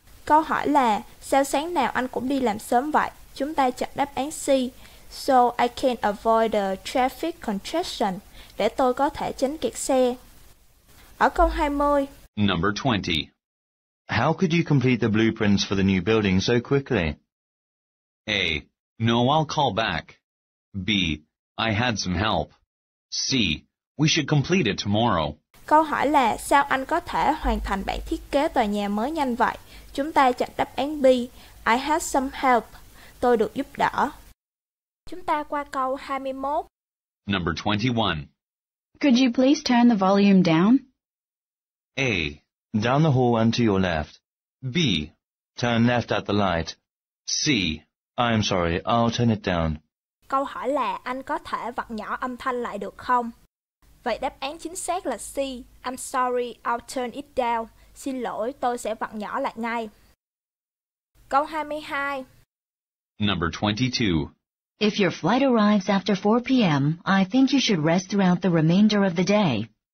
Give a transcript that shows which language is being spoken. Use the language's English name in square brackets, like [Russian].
[Vietnamese] Câu hỏi là sao sáng nào anh cũng đi làm sớm vậy? Chúng ta chọn đáp án C. [English] So I can avoid the traffic congestion. [Vietnamese] Để tôi có thể tránh kẹt xe. Ở câu 20. [English] Number 20. How could you complete the blueprints for the new building so quickly? A. No, I'll call back. B. I had some help. C. We should complete it tomorrow. [Vietnamese] Câu hỏi là sao anh có thể hoàn thành bản thiết kế tòa nhà mới nhanh vậy? Chúng ta chọn đáp án B. [English] I had some help. [Vietnamese] Tôi được giúp đỡ. Chúng ta qua câu 21. [English] Number 21. Could you please turn the volume down? A. Down the hall and to your left. B. Turn left at the light. C. I'm sorry, I'll turn it down. [Vietnamese] Câu hỏi là anh có thể vặn nhỏ âm thanh lại được không? Vậy đáp án chính xác là C. [English] I'm sorry, I'll turn it down. [Vietnamese] Xin lỗi, tôi sẽ vặn nhỏ lại ngay. Câu 22. [English] Number 22. If your flight arrives after 4 p.m., I think you should rest throughout the remainder of the day.